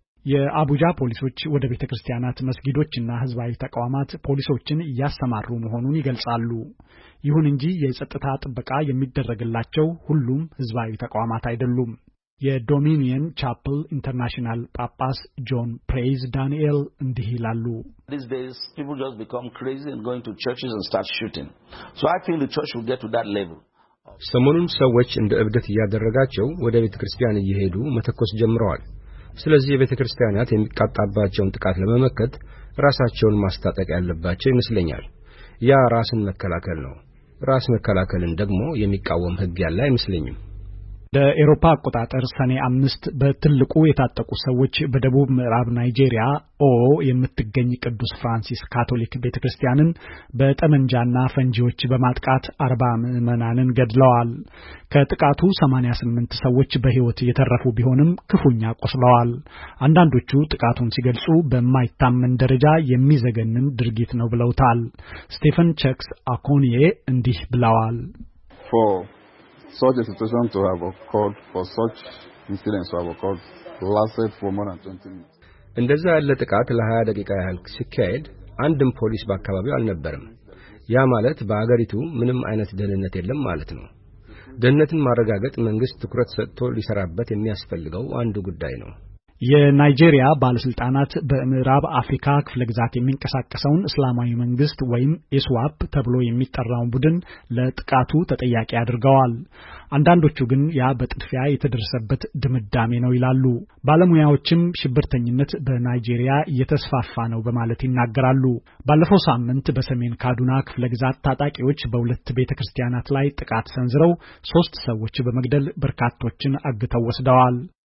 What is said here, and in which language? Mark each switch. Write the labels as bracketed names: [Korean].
[Amharic] የአቡጃ ፖሊሶች ወደ ቤተክርስቲያናት፣ መስጊዶችና ህዝባዊ ተቋማት ፖሊሶችን ያስተማሩ መሆኑን ይገልጻሉ። ይሁን እንጂ የጸጥታ ጥበቃ የሚደረግላቸው ሁሉም ህዝባዊ ተቋማት አይደሉም። የዶሚኒየን ቻፕል ኢንተርናሽናል ጳጳስ ጆን ፕሬይዝ ዳንኤል እንዲህ ይላሉ። [English] These days people just become crazy and going to churches and start shooting. So I feel the church will get to that level. [Amharic] ሰሞኑን ሰዎች እንደ እብደት ያደረጋቸው ወደ ቤተክርስቲያን እየሄዱ መተኮስ ጀምረዋል። ስለዚህ የቤተክርስቲያናት የሚቃጣባቸውን ጥቃት ለመመከት ራሳቸውን ማስተጣቀቅ ያለባቸው ይመስለኛል። ያ ራስን መከላከል ነው። ራስን መከላከልን ደግሞ የሚቃወም ህግ ያለ አይመስለኝም። በአውሮፓ አቆጣጠር ሰኔ 5 በትልቁ የታጠቁ ሰዎች በደቡብ ምዕራብ ናይጄሪያ ኦ የምትገኝ ቅዱስ ፍራንሲስ ካቶሊክ ቤተክርስቲያንን በጠመንጃና ፈንጂዎች በማጥቃት 40 ምዕመናንን ገድለዋል። ከጥቃቱ 88 ሰዎች በህይወት የተረፉ ቢሆንም ክፉኛ ቆስለዋል። አንዳንዶቹ ጥቃቱን ሲገልጹ በማይታመን ደረጃ የሚዘገንን ድርጊት ነው ብለውታል። ስቴፈን ቼክስ አኮኒየ እንዲህ ብለዋል። [English] Such a situation to have occurred for such incidents to have occurred lasted for more than 20 minutes. [Amharic] እንደዛ ያለ ጥቃት ለ20 ደቂቃ ያህል ሲካሄድ አንድም ፖሊስ በአካባቢው አልነበረም። ያ ማለት በአገሪቱ ምንም አይነት ደህንነት የለም ማለት ነው። ደህንነትን ማረጋጋት መንግስት ትኩረት ሰጥቶ ሊሰራበት የሚያስፈልገው አንዱ ጉዳይ ነው። የናይጄሪያ ባለስልጣናት በምዕራብ አፍሪካ ክፍለ ግዛት የሚንቀሳቀሰውን እስላማዊ መንግስት ወይም ኢስዋፕ ተብሎ የሚጠራውን ቡድን ለጥቃቱ ተጠያቂ አድርገዋል። አንዳንዶቹ ግን ያ በጥፊያ የተደረሰበት ድምዳሜ ነው ይላሉ። ባለሙያዎችም ሽብርተኝነት በናይጄሪያ እየተስፋፋ ነው በማለት ይናገራሉ። ባለፈው ሳምንት በሰሜን ካዱና ክፍለ ግዛት ታጣቂዎች በሁለት ቤተክርስቲያናት ላይ ጥቃት ሰንዝረው 3 ሰዎች በመግደል በርካቶችን አግተው ወስደዋል።